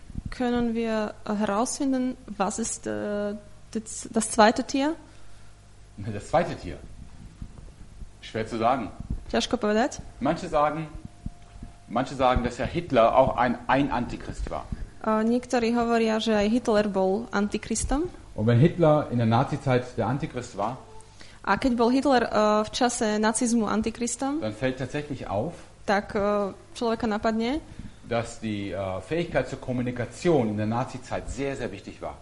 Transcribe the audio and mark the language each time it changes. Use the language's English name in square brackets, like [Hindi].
[German] Können wir herausfinden, was ist das zweite Tier? Das zweite Tier? Schwer zu sagen. [Slovak] Ťažko povedať. [German] Manche sagen, dass ja Hitler auch ein Antichrist war. [Slovak] Niektorí hovoria, že aj Hitler bol antikristom. [German] Und wenn Hitler in der Nazizeit der Antichrist war, [Slovak] a keď bol Hitler v čase nazizmu antikristom, [German] dann fällt tatsächlich auf, [Slovak] tak človeka napadne, [German] dass die Fähigkeit zur Kommunikation in der Nazizeit sehr sehr wichtig war.